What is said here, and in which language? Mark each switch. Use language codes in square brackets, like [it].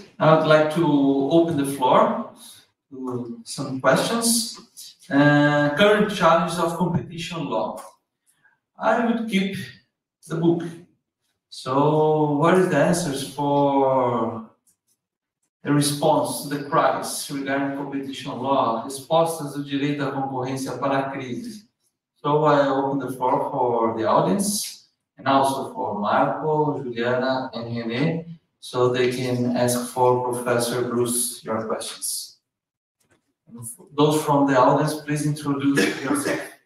[en] I'd like to open the floor to some questions. Current challenges of competition law. I would keep the book. So what is the answers for a response to the crisis regarding competition law? [pt] Respostas do direito da concorrência para a crise. [en] So I open the floor for the audience and also for Marco, Juliana, and René, so they can ask for Professor Bruce your questions. Those from the audience, please introduce yourself.